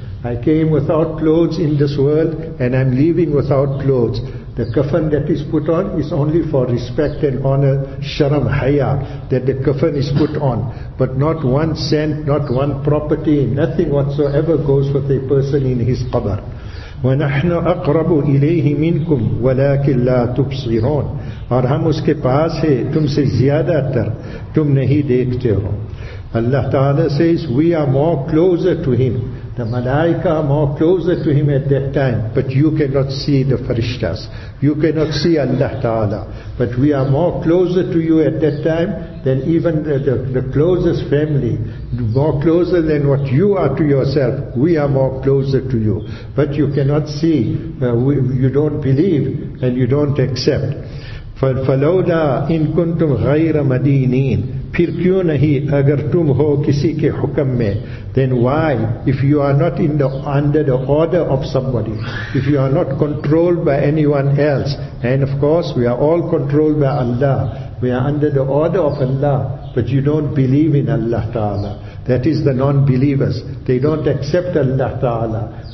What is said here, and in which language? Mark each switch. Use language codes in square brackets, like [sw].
[en] I came without clothes in this world, and I'm leaving without clothes. The kafan that is put on is only for respect and honor, sharam haya, that the kafan is put on. But not one cent, not one property, nothing whatsoever goes with a person in his qabr. [ar] وَنَحْنُ أَقْرَبُ إِلَيْهِ مِنْكُمْ وَلَاكِنْ لَا تُبْصِرُونَ. [ur] اور ہم اس کے پاس ہیں, تم سے زیادہ تر تم نہیں دیکھتے ہو. [en] Allah Ta'ala says, we are more closer to him. The malaika are more closer to him at that time. But you cannot see the farishtas. You cannot see Allah Ta'ala. But we are more closer to you at that time than even the closest family. More closer than what you are to yourself. We are more closer to you. But you cannot see. You don't believe and you don't accept. [ar] فَلَوْلَا إِن كُنْتُمْ غَيْرَ مَدِينِينَ. [ur] پھر کیوں نہیں اگر تم ہو کسی کے حکم میں. [en] Then why, if you are not under the order of somebody, if you are not controlled by anyone else, and of course we are all controlled by Allah, we are under the order of Allah, but you don't believe in Allah Ta'ala. That is the non-believers. They don't accept Allah Ta'ala.